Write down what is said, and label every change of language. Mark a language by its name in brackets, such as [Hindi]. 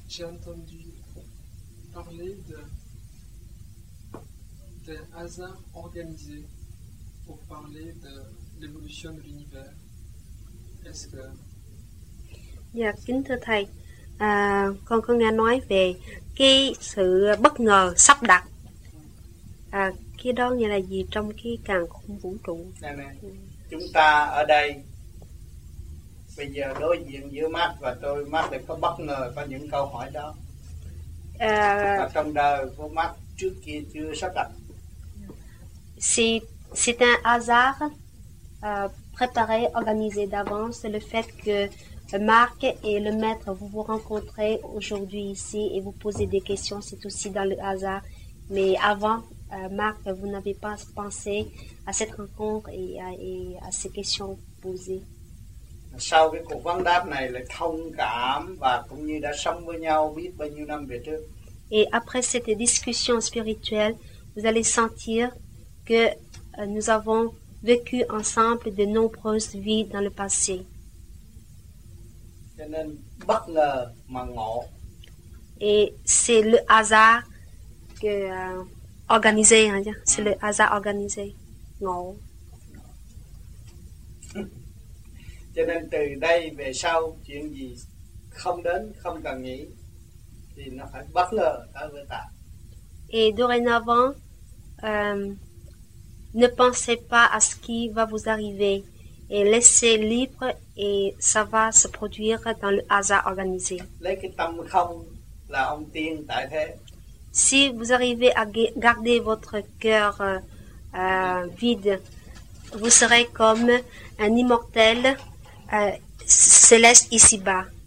[French] J'ai entendu parler d'un hasard organisé pour parler de l'évolution de l'univers. Est-ce que... [Vietnamese] Yeah, kính thưa thầy, con có nghe nói về cái sự bất ngờ sắp đặt. Cái đó nghĩa là gì trong cái càn khôn vũ trụ? Chúng ta ở đây bây giờ đối diện giữa Mark và tôi, Mark thì có bất ngờ có những câu hỏi đó. Trong đời của Mark trước kia chưa sắp đặt. [French] C'est un hasard préparé, organisé d'avance, le fait que Mark et le maître vous vous rencontrez aujourd'hui ici et vous posez des questions, c'est aussi dans le hasard. Mais avant, Mark, vous n'avez pas pensé à cette rencontre et à ces questions posées. [Vietnamese] Sau cái cuộc vấn đáp này lại thông cảm và cũng như đã sống với nhau biết bao nhiêu năm về trước. [French] Et après cette discussion spirituelle, vous allez sentir que nous avons vécu ensemble de nombreuses vies dans le passé. [Vietnamese] Cho nên bất ngờ mà ngộ. [French] Et c'est le hasard que organisé, hein, c'est le hasard organisé, ngộ. [Vietnamese] Cho nên từ đây về sau chuyện gì không đến không cần nghĩ thì nó phải bất ngờ tới với ta. [French] Et dorénavant, ne pensez pas à ce qui va vous arriver et laissez libre et ça va se produire dans le hasard organisé. [Vietnamese] Lấy cái tâm không là ông tiên tại thế. [French] Si vous arrivez à garder votre cœur vide, vous serez comme un immortel céleste ici-bas.